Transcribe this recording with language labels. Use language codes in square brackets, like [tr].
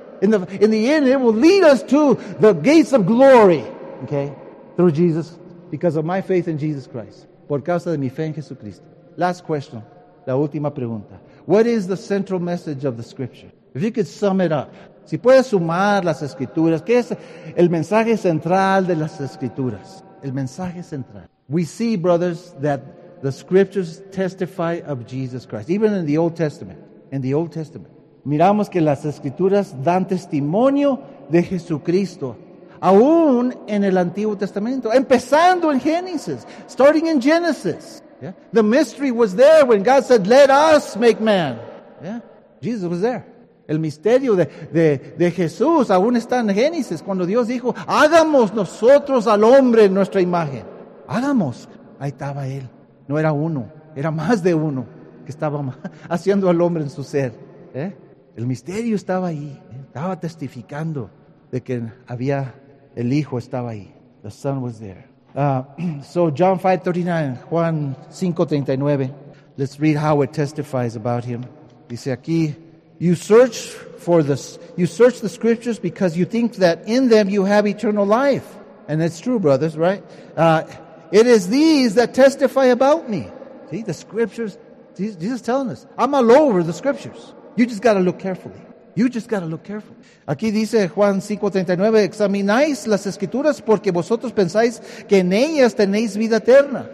[en] In the end, it will lead us to the gates of glory. Okay? Through Jesus. Because of my faith in Jesus Christ. [es] Por causa de mi fe en Jesucristo. [en] Last question. [es] La última pregunta. [en] What is the central message of the Scripture? If you could sum it up. [es] Si puedes sumar las Escrituras. ¿Qué es el mensaje central de las Escrituras? El mensaje central. [en] We see, brothers, that the Scriptures testify of Jesus Christ. Even in the Old Testament. In the Old Testament. [es] Miramos que las Escrituras dan testimonio de Jesucristo, aún en el Antiguo Testamento, empezando en Génesis, [en] starting in Genesis. Yeah. The mystery was there when God said, let us make man. Yeah. Jesus was there. [es] El misterio de Jesús aún está en Génesis, cuando Dios dijo, hagamos nosotros al hombre nuestra imagen. Hagamos. Ahí estaba Él. No era uno, era más de uno que estaba haciendo al hombre en su ser. El misterio estaba ahí, estaba testificando de que había el Hijo estaba ahí. [en] The Son was there. So John 5:39, Juan 5:39. Let's read how it testifies about him. [es] Dice aquí, [en] you search the Scriptures because you think that in them you have eternal life. And it's true, brothers, right? It is these that testify about me. See, the Scriptures, Jesus is telling us, I'm all over the Scriptures. You just got to look carefully. You just got to look carefully. [es] Aquí dice Juan 5:39, examináis las Escrituras porque vosotros pensáis que en ellas tenéis vida eterna.